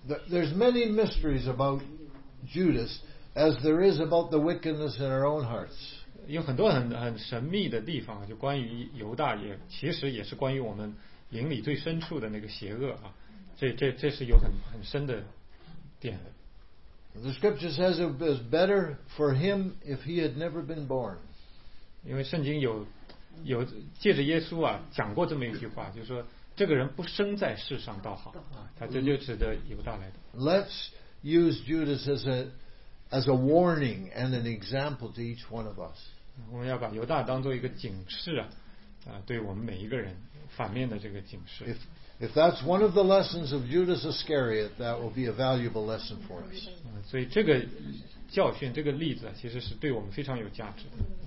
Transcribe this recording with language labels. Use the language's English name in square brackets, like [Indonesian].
[English] There's many mysteries about Judas as there is about the wickedness in our own hearts. [Chinese] 有很多很神秘的地方，就关于犹大也其实也是关于我们灵里最深处的那个邪恶啊。这是有很深的点的。 [English] The scripture says it was better for him if he had never been born. [Chinese] 因为圣经有借着耶稣啊讲过这么一句话，就是说这个人不生在世上倒好啊，他这就指的犹大来的。 [English] Let's use Judas as a warning and an example to each one of us. [Chinese] 我们要把犹大当做一个警示啊，对我们每一个人反面的这个警示。 [English] If that's one of the lessons of Judas Iscariot, that will be a valuable lesson for us. [Chinese] 所以这个教训，这个例子，其实是对我们非常有价值的。